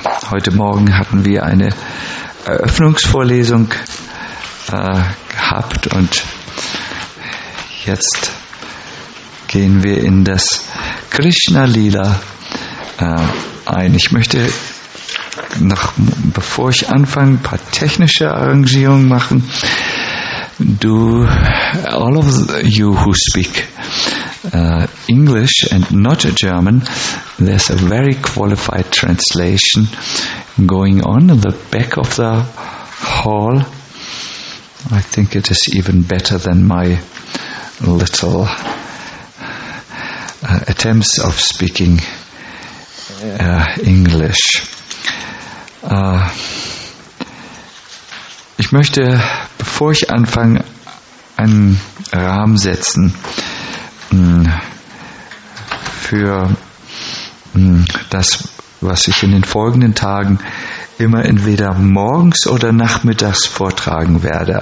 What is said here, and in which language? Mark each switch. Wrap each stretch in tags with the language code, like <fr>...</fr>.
<de>Heute Morgen hatten wir eine Eröffnungsvorlesung gehabt und jetzt gehen wir in das Krishna-Lila ein. Ich möchte noch, bevor ich anfange, ein paar technische Arrangierungen machen.</de> <en>Do all of you who speak English and not German, there's a very qualified translation going on in the back of the hall. I think it is even better than my little attempts of speaking English.</en> <de>Ich möchte, bevor ich anfange, einen Rahmen setzen für das, was ich in den folgenden Tagen immer entweder morgens oder nachmittags vortragen werde.</de>